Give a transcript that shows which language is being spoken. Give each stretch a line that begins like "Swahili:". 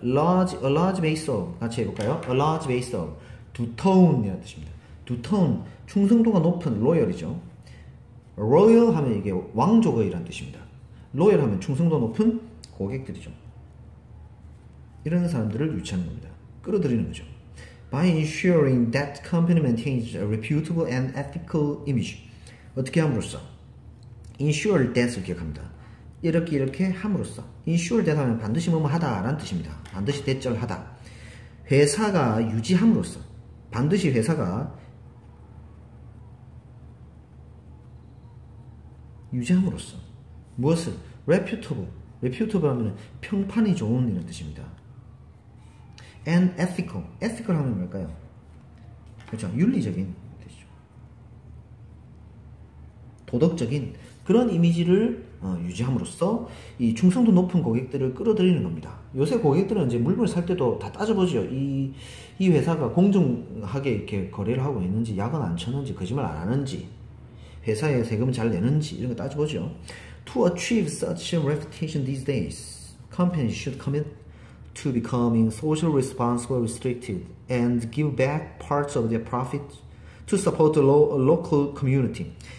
English: Large, a large base of.
Korean: 같이 해볼까요?
English: A large base of.
Korean: 두터운이라는 뜻입니다. 두터운. 충성도가 높은 로열이죠. Royal 하면 이게 왕족의라는 뜻입니다. 로열 하면 충성도 높은 고객들이죠. 이런 사람들을 유치하는 겁니다. 끌어들이는 거죠.
English: By ensuring that company maintains a reputable and ethical image.
Korean: 어떻게 함으로써? Ensure that을 기억합니다. 이렇게 이렇게 함으로써. Ensure that 하면 반드시 뭐뭐 하다라는 뜻입니다. 반드시 대절 하다. 회사가 유지함으로써. 반드시 회사가 유지함으로써. 무엇을? Reputable. Reputable 하면 평판이 좋은 이런 뜻입니다.
English: And ethical.
Korean: Ethical 하면 뭘까요? 그렇죠. 윤리적인 뜻이죠. 도덕적인 그런 이미지를 유지함으로써 이 충성도 높은 고객들을 끌어들이는 겁니다. 요새 고객들은 이제 물건을 살 때도 다 따져보죠. 이 회사가 공정하게 이렇게 거래를 하고 있는지, 약은 안 쳤는지, 거짓말 안 하는지, 회사에 세금 잘 내는지 이런 거 따져보죠.
English: To achieve such a reputation these days, companies should commit to becoming socially responsible, restricted, and give back parts of their profit to support the local community.